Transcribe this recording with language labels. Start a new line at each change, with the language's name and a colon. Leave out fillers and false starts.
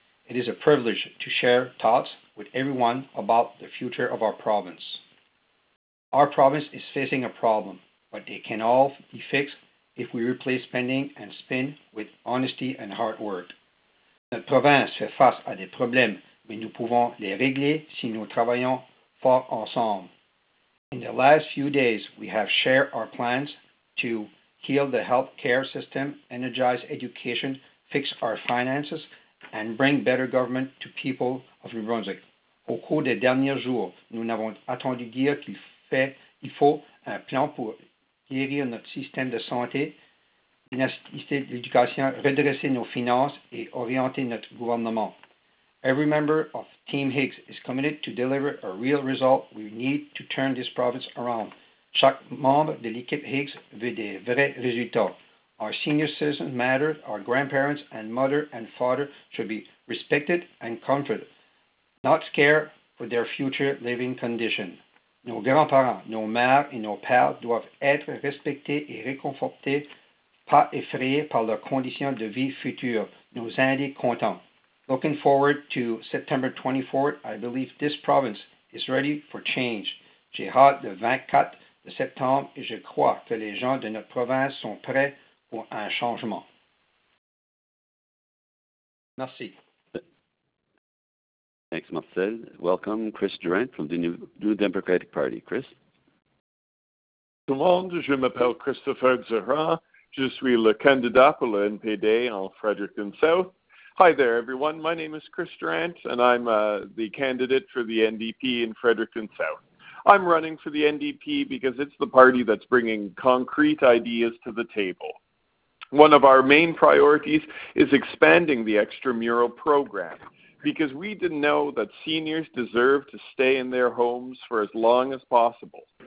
English: It is a privilege to share thoughts with everyone about the future of our province. Our province is facing a problem, but it can all be fixed if we replace spending and spin with honesty and hard work.
French: Notre province fait face à des problèmes, mais nous pouvons les régler si nous travaillons fort ensemble.
English: In the last few days, we have shared our plans to heal the health care system, energize education, fix our finances, and bring better government to people of New Brunswick.
French: Au cours des derniers jours, nous n'avons attendu dire qu'il faut un plan pour guérir notre système de santé, financer l'éducation, redresser nos finances et orienter notre gouvernement.
English: Every member of Team Higgs is committed to deliver a real result. We need to turn this province around.
French: Chaque membre de l'équipe Higgs veut des vrais résultats.
English: Our senior citizens matter. Our grandparents and mother and father should be respected and comforted, not scared for their future living condition.
French: Nos grands-parents, nos mères et nos pères doivent être respectés et réconfortés, pas effrayés par leurs conditions de vie future. Nos aînés contents.
English: Looking forward to September 24th, I believe this province is ready for change.
French: J'ai hâte le 24 de septembre et je crois que les gens de notre province sont prêts pour un changement. Merci.
English: Thanks, Marcel. Welcome, Chris Durant from the New Democratic Party. Chris?
French: Tout le monde, je m'appelle Christopher Zahra. Je suis le candidat pour le NPD en Fredericton South.
English: Hi there, everyone. My name is Chris Durant, and I'm the candidate for the NDP in Fredericton South. I'm running for the NDP because it's the party that's bringing concrete ideas to the table. One of our main priorities is expanding the extramural program because we didn't know that seniors deserve to stay in their homes for as long as possible.